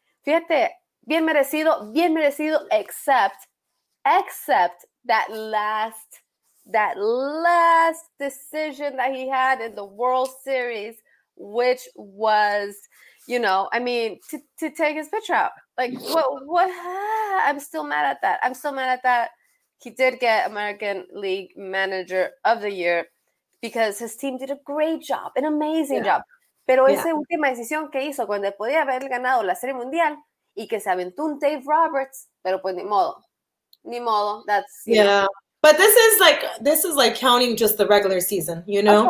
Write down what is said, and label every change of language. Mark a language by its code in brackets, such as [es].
[es] Fíjate, bien merecido, [en] except that last decision that he had in the World Series, which was, you know, I mean, to take his pitch out. Like, what? I'm still mad at that. He did get American League Manager of the Year, because his team did a great job, an amazing job. [es] Pero esa última decisión que hizo cuando podía haber ganado la Serie Mundial y que se aventó un Dave Roberts, pero pues ni modo. [en] That's But this is like counting just the regular season, you know?